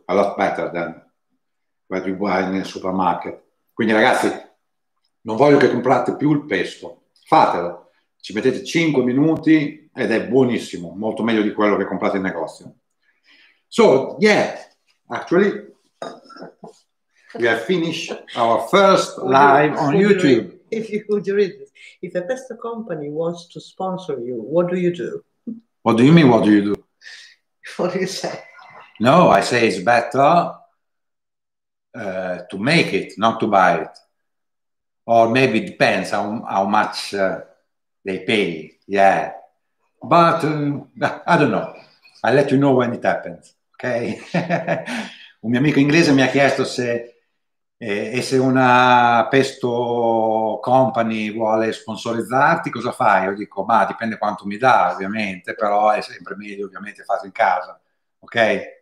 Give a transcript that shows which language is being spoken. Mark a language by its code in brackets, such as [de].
[en] A lot better than what you buy in the supermarket. [it] Quindi ragazzi, non voglio che comprate più il pesto. Fatelo. Ci mettete 5 minuti ed è buonissimo, molto meglio di quello che comprate in negozio. [en] So, yeah, actually, we have finished our first live on YouTube. If you could read this. If a pesto company wants to sponsor you, what do you do? What do you mean, what do you do? What do you say? No, I say it's better to make it, not to buy it. Or maybe it depends how much they pay, yeah. But I don't know. I'll let you know when it happens, okay? [it] Un mio amico inglese mi ha chiesto se una pesto company vuole sponsorizzarti, cosa fai? Io dico, ma dipende quanto mi dà, ovviamente, però è sempre meglio, ovviamente, fatto in casa, ok?